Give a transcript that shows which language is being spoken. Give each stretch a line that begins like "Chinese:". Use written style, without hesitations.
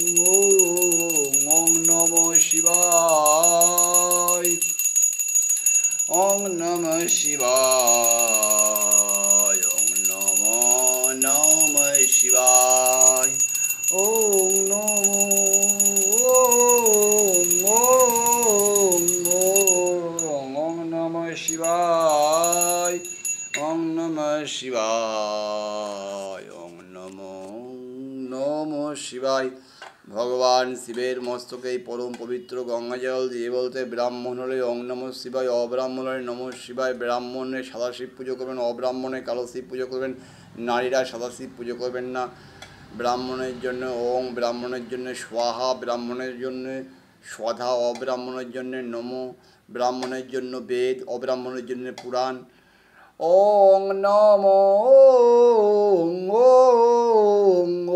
Sanskrit: ओम ओम नमः शिवाय, ओम नमः शिवाय, ओम नमो नमः शिवाय, ओम नमो ओम ओम ओम ओम नमः शिवाय, ओम नमः शिवाय, ओम नमो नमः शिवाय।
Bangla: ভগবান শিবের মস্তকে এই পরম পবিত্র গঙ্গাজল দিয়ে বলতে ব্রাহ্মণ হলে অং নম শিবায়, অব্রাহ্মণ হলে নম শিবায়। ব্রাহ্মণে সাদা শিব পুজো করবেন, অব্রাহ্মণে কালো শিব পুজো করবেন, নারীরা সাদা শিব পুজো করবেন না। ব্রাহ্মণের জন্য ওং, ব্রাহ্মণের জন্য স্বাহা, ব্রাহ্মণের জন্য স্বধা, অব্রাহ্মণের জন্য নম, ব্রাহ্মণের জন্য বেদ, অব্রাহ্মণের জন্য পুরাণ।
Sanskrit: ॐ नमो ॐ ॐ